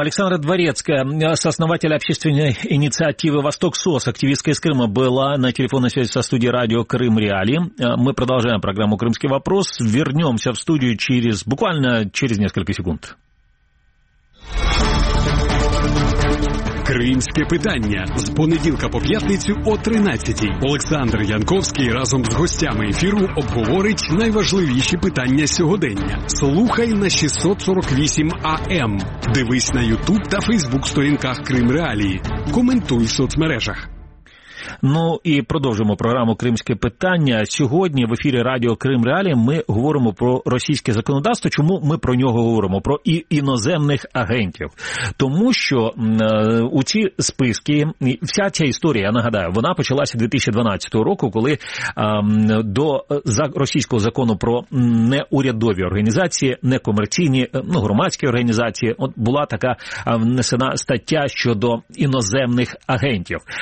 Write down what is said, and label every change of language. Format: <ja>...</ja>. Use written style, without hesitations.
<ru>Александра Дворецкая, сооснователь общественной инициативы «Восток СОС», активистка из Крыма, была на телефонной связи со студией радио «Крым Реали». Мы продолжаем программу «Крымский вопрос». Вернемся в студию через буквально через несколько секунд.</ru> <uk>Кримське питання з понеділка по п'ятницю о 13:00. Олександр Янковський разом з гостями ефіру обговорить найважливіші питання сьогодення. Слухай на 648 АМ. Дивись на YouTube та Facebook сторінках Крим Реалії. Коментуй в соцмережах. Ну і продовжимо програму «Кримське питання». Сьогодні в ефірі радіо «Крим Реалі» ми говоримо про російське законодавство. Чому ми про нього говоримо? Про іноземних агентів. Тому що у ці списки, вся ця історія, я нагадаю, вона почалася 2012 року, коли до російського закону про неурядові організації, некомерційні, ну, громадські організації, от була така внесена стаття щодо іноземних агентів.</uk>